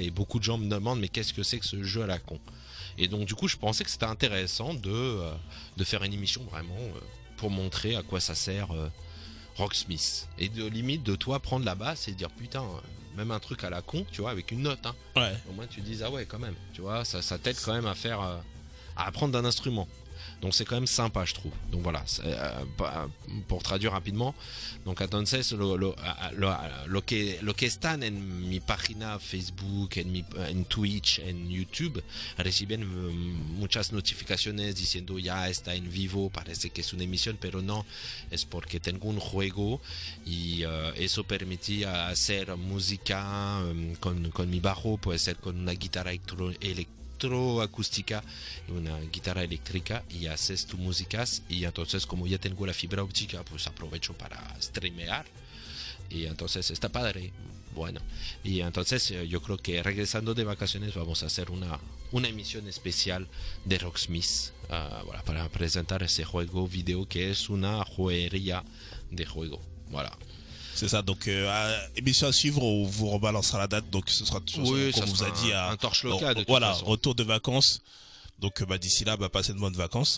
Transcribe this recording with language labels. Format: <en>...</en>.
<fr>Et beaucoup de gens me demandent, mais qu'est-ce que c'est que ce jeu à la con? Et donc, du coup, je pensais que c'était intéressant de faire une émission vraiment pour montrer à quoi ça sert Rocksmith. Et de limite, de toi prendre la basse et dire putain. Même un truc à la con, tu vois, avec une note. Hein. Ouais. Au moins, tu dis, ah ouais, quand même. Tu vois, ça t'aide quand même à faire. À apprendre d'un instrument. Donc, c'est quand même sympa, je trouve. Donc, voilà. Pour traduire rapidement.</fr> <es>Donc, entonces, lo que están en mi página Facebook, en Twitch, en YouTube, reciben muchas notificaciones diciendo, ya está en vivo, parece que es una emisión, pero no, es porque tengo un juego y eso permite hacer música con mi bajo, puede ser con una guitarra electroacústica, una guitarra eléctrica, y haces tus músicas, y entonces como ya tengo la fibra óptica, pues aprovecho para streamear, y entonces está padre, bueno, y entonces yo creo que regresando de vacaciones vamos a hacer una emisión especial de Rocksmith, para presentar ese juego video que es una joyería de juego, voilà.</es> <fr>C'est ça, donc émission à suivre, on vous rebalancera la date, donc ce sera un torche local. Donc, voilà, façon. Retour de vacances. Donc d'ici là, passez de bonnes vacances.</fr>